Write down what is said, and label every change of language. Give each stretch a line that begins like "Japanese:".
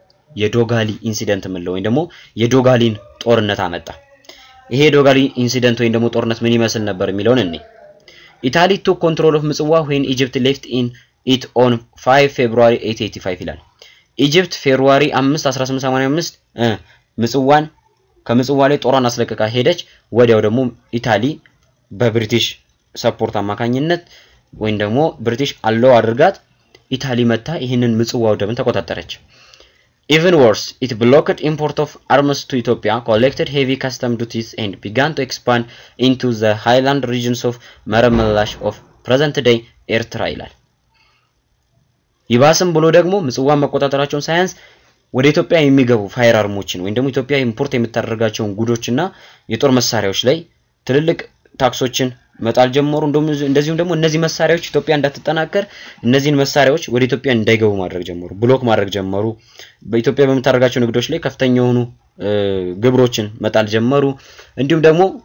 Amharic: የዶጋሊ ኢንሲደንት ምለው ወይ ደግሞ የዶጋሊን ጦርነት አመጣ። ይሄ ዶጋሊ ኢንሲደንት ወይ ደግሞ ጦርነት ምን ይመስል ነበር የሚለውን እንይ። ኢታሊ ቱ ኮንትሮል ኦፍ ምጽዋ
English: when Egypt left in it on 5 February 1885
Amharic: ይላል። ኢጅፕት ፌብሩዋሪ 5 1885 ምጽዋን ከምጽዋ ላይ ጦሯን አስለቀቃ ሄደች። ወዲያው ደግሞ ኢታሊ በብሪቲሽ ሰፖርት አማካኝነት ወይ ደግሞ ብሪቲሽ አለው አድርጋት ኢታሊ መጣ ይሄንን ምጽዋው ደግሞ ተቆጣጠረች።
English: Even worse, it blocked import of arms to Ethiopia, collected heavy custom duties, and began to expand into the highland regions of Marmalash of present-day Eritrea.
Amharic: ይላል ይባስም ብሎ ደግሞ ምጽዋ መቆጣጣራቸው ሳይንስ ወደ ኢትዮጵያ የሚገቡ ፋየር አርሞችን ወይንም ደግሞ ኢትዮጵያ ኢምፖርት የምታደርጋቸውን ጉዶችና የጦር መሳሪያዎች ላይ ትልልቅ ታክሶችን መጣል ጀመሩ እንደዚሁም ደግሞ እነዚህ መሳሪያዎች ኢትዮጵያ እንዳትጠናከር እነዚህን መሳሪያዎች ወደ ኢትዮጵያ እንዳይገቡ ማድረግ ጀመሩ ብሎክ ማድረግ ጀመሩ በኢትዮጵያ በመታረጋቸው ንግዶች ላይ ከፍተኛ የሆኑ ግብሮችን መጣል ጀመሩ እንዲሁም ደግሞ